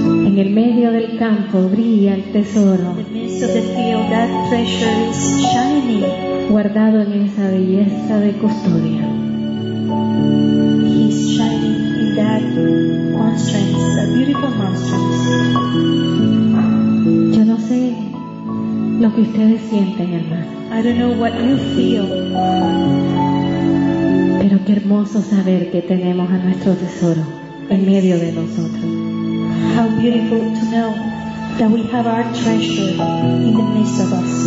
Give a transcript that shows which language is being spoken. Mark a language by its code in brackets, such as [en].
[es] En el medio del campo brilla el tesoro. [en] In the midst of the field, that treasure is shining. [es] Guardado en esa belleza de custodia. [en] He's shining in that monstrance, that beautiful monstrance. [es] Yo no sé lo que ustedes sienten, hermano. [en] I don't know what you feel. [es] Pero qué hermoso saber que tenemos a nuestro tesoro en medio de nosotros. [en] How beautiful to know that we have our treasure in the midst of us.